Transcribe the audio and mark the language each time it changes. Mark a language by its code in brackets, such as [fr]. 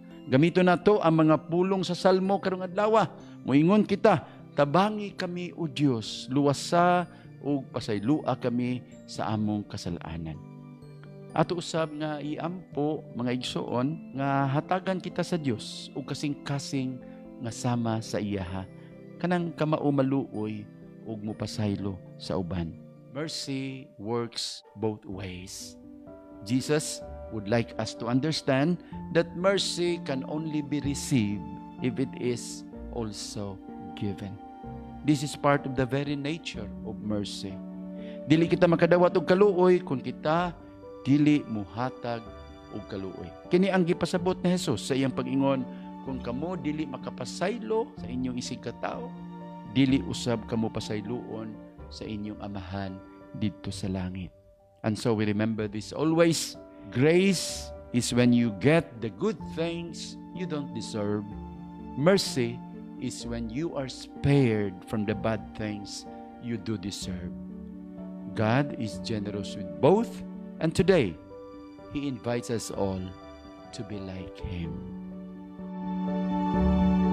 [ceb] Gamito nato ang mga pulong sa Salmo karong adlawa. Muingon kita, tabangi kami o Dios, luwasa ug pasayloa kami sa among kasalanan. Ato usab nga iampo mga igsuon nga hatagan kita sa Dios ug kasing-kasing nga sama sa iyaha kanang kamaumaluoy ug mupasaylo sa uban. [en] Mercy works both ways. Jesus would like us to understand that mercy can only be received if it is also given. This is part of the very nature of mercy. [ceb] Dili kita makadawat og kaluoy kung kita dili muhatag og kaluoy. Kini ang gipasabot ni Jesus sa iyang pag-ingon, kung kamo dili makapasaylo sa inyong isig katao, dili usab kamo pasayloon sa inyong amahan dito sa langit. [en] And so we remember this always: grace is when you get the good things you don't deserve. Mercy is when you are spared from the bad things you do deserve. God is generous with both, and today, He invites us all to be like Him.